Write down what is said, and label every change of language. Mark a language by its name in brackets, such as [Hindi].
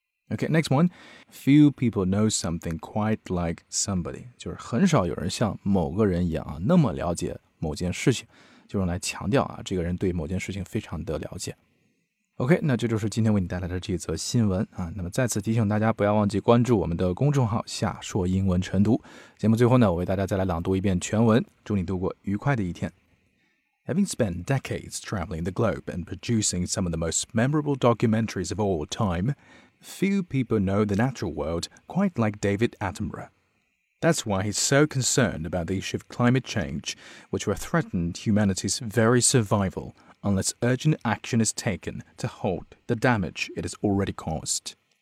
[English] OK， next one， few people know something quite like somebody， [Chinese] 就是很少有人像某个人一样、啊、那么了解某件事情，就用来强调、啊、这个人对某件事情非常的了解。 OK， 那这就是今天为你带来的这则新闻啊。那么再次提醒大家，不要忘记关注我们的公众号夏硕英文晨读。节目最后呢，我为大家再来朗读一遍全文，祝你度过愉快的一天。 [English] Having spent decades traveling the globe and producing some of the most memorable documentaries of all time, few people know the natural world quite like David Attenborough. That's why he's so concerned about the issue of climate change, which will threaten humanity's very survival unless urgent action is taken to halt the damage it has already caused.